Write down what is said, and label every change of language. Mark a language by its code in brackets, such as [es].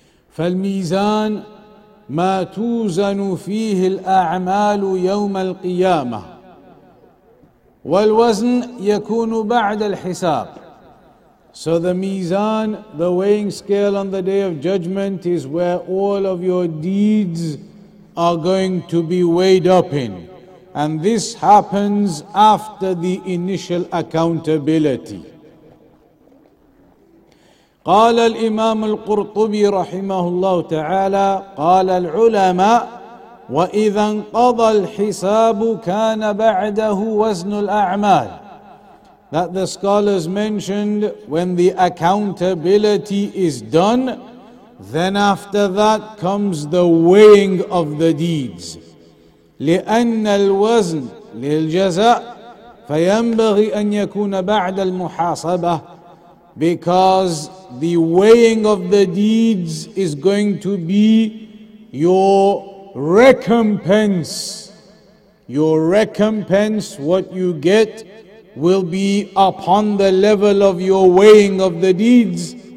[ar] فالميزان ما توزن فيه الأعمال يوم القيامة والوزن يكون بعد الحساب. [en] So the mizan, the weighing scale on the Day of Judgment, is where all of your deeds are going to be weighed up in. And this happens after the initial accountability. [ar] قال الإمام القرطبي رحمه الله تعالى قال العلماء وإذا انقضى الحساب كان بعده وزن الأعمال. [en] That the scholars mentioned, when the accountability is done, then after that comes the weighing of the deeds. [ar] لأن الوزن للجزاء فينبغي أن يكون بعد المحاسبة. [en] Because the weighing of the deeds is going to be your recompense, what you get will be upon the level of your weighing of the deeds.